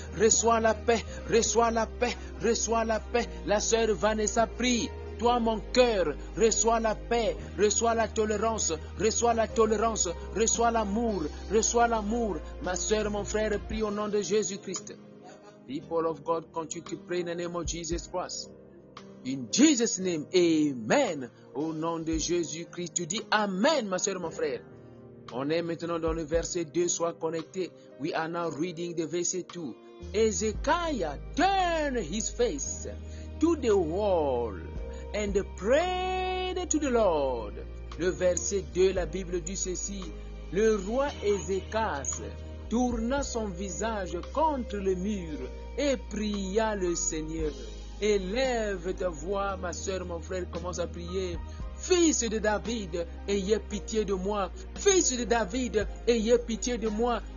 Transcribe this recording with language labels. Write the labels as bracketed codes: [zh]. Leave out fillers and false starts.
[fr] Reçois la paix, reçois la paix. Reçois la paix, la sœur Vanessa prie. toi, mon cœur, reçois la paix, reçois la tolérance, reçois la tolérance, reçois l'amour, reçois l'amour. Ma sœur, mon frère, prie au nom de Jésus-Christ. [en] People of God, continue to pray in the name of Jesus Christ. In Jesus' name, Amen. [fr] Au nom de Jésus-Christ, tu dis Amen, ma sœur, mon frère. On est maintenant dans le verset 2, sois connecté. [en] We are now reading the verset 2. Hezekiah turned his face to the wall and prayed to the Lord. [fr] Le verset 2, la Bible dit ceci. Le roi Hezekiah tourna son visage contre le mur et pria le Seigneur. Élève ta voix, ma sœur, mon frère, commence à prier. Fils de David, ayez pitié de moi. Fils de David, ayez pitié de moi.